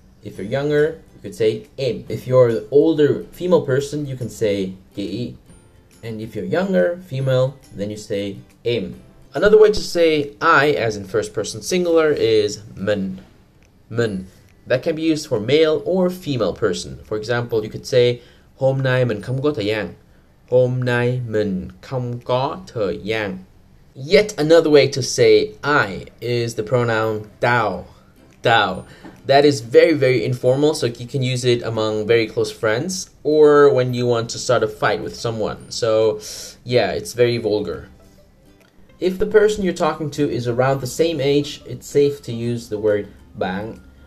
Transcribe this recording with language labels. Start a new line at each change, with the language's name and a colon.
English: If you're younger, you could say em. If you're the older female person, you can say chị. And if you're younger female, then you say em. Another way to say I, as in first person singular, is mình. Mình. That can be used for male or female person. For example, you could say
Vietnamese: hôm nay mình không có thời gian. Hôm nay mình không có thời gian.
English: Yet another way to say I is the pronoun tao. Tao. That is very, very informal, so you can use it among very close friends or when you want to start a fight with someone. So, yeah, it's very vulgar. If the person you're talking to is around the same age, it's safe to use the word bạn.